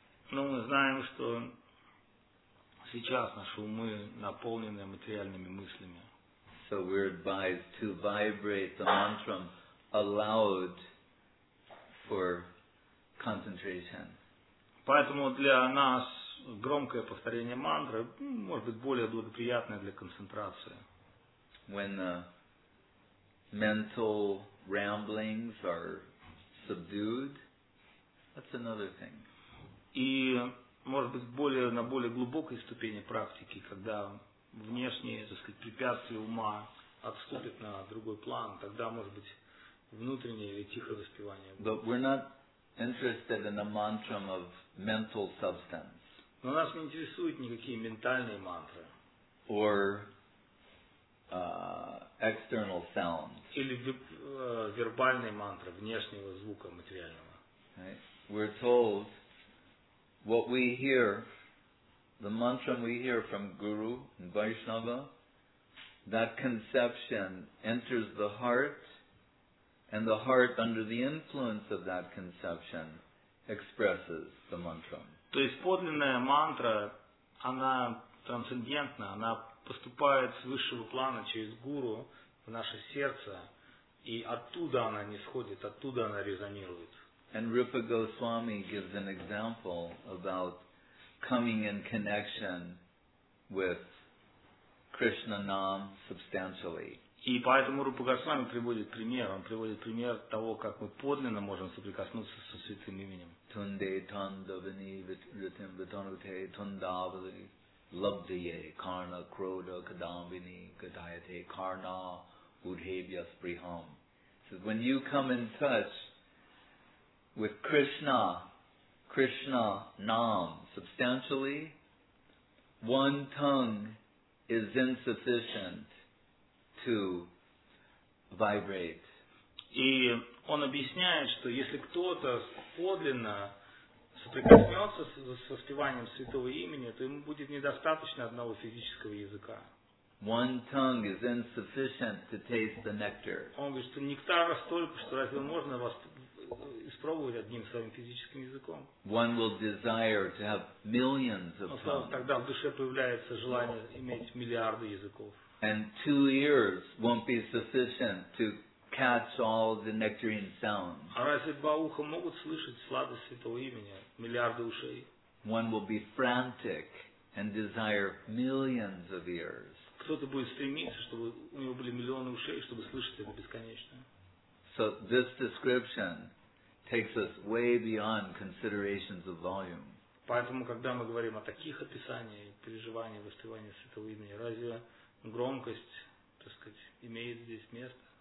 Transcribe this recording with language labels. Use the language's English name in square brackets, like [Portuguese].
[Russian] Но мы знаем, что сейчас наши умы наполнены материальными мыслями. [English] So we're advised to vibrate the mantra aloud for concentration. [Russian] Поэтому для нас громкое повторение мантры может быть более благоприятное для концентрации. [English] When the mental ramblings are subdued, that's another thing. [Russian] И, может быть, более, на более глубокой ступени практики, когда внешние, так сказать, препятствия ума отступят на другой план, тогда, может быть, внутреннее или тихое воспевание будет. [English] But we're not interested in the mantra of mental substance. [Russian] Но нас не интересуют никакие ментальные мантры. [English] Or external sound. [Russian] Или вербальные мантры внешнего звука материального. [English] Right. We're told what we hear, the mantra we hear from Guru and Vaishnava, that conception enters the heart, and the heart, under the influence of that conception, expresses the mantra. [Russian] То есть подлинная мантра, она трансцендентна, она поступает с высшего плана через Гуру в наше сердце, и оттуда она нисходит, оттуда она резонирует. [English] And Rupa Goswami gives an example about coming in connection with Krishna Nam substantially. [Russian] И поэтому Рупа Госвами приводит пример. Он приводит пример того, как мы подлинно можем соприкоснуться со святым именем. [Sanskrit] Tunde tandavani vritim vitanute tundavali labdiye karna krodha kadambini gadayate karna udhebya spriham. [English] So when you come in touch with Krishna, Krishna Nam, substantially, one tongue is insufficient to vibrate. [Russian] И он объясняет, что если кто-то подлинно соприкоснется с воспеванием святого имени, то ему будет недостаточно одного физического языка. [English] One tongue is insufficient to taste the nectar. [Russian] Он говорит, что нектара столько, что разве можно вас испробовать одним своим физическим языком. [English] One will desire to have millions of tongues. [Russian] Тогда в душе появляется желание иметь миллиарды языков. [English] And two ears won't be sufficient to catch all the nectarine sounds. [Russian] А разве два уха могут слышать сладость святого имени, миллиарды ушей? [English] One will be frantic and desire millions of ears. [Russian] Кто-то будет стремиться, чтобы у него были миллионы ушей, чтобы слышать это бесконечно. [English] So this description takes us way beyond considerations of volume. [Russian] Поэтому, когда мы говорим о таких описаниях, переживаниях, воспеваниях святого имени, разве громкость, так сказать, имеет здесь место?